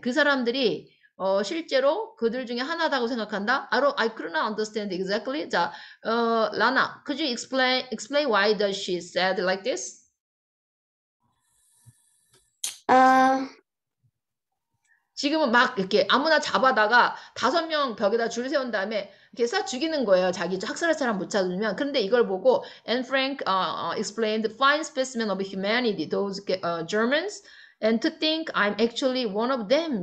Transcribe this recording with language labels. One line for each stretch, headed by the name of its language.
Korean: 그 사람들이 실제로 그들 중에 하나다고 생각한다.
English: I could not understand exactly. 자, Lana, could you explain why does she said like this?
Korean: Uh, 지금은 막 이렇게 아무나 잡아다가 다섯 명 벽에다 줄 세운 다음에 이렇게 싹 죽이는 거예요. 자기 학살할 사람 못 찾으면. 그런데 이걸 보고
English: Anne Frank explained fine specimen of humanity, those Germans, and to think I'm actually one of them.